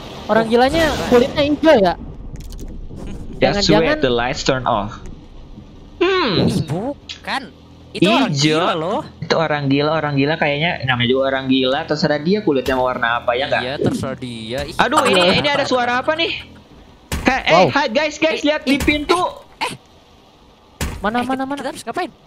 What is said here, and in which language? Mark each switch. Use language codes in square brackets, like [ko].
[id] Orang gilanya kulitnya hijau ya? [en] Just wait, the lights turn off. [id] Bukan. Itu ijo. Orang gila loh. Itu orang gila kayaknya namanya juga orang gila, terserah dia kulitnya warna apa ya enggak? Iya, terserah dia. Aduh, ini ada suara apa nih? Hai guys, lihat di pintu. Mana? Terus ngapain?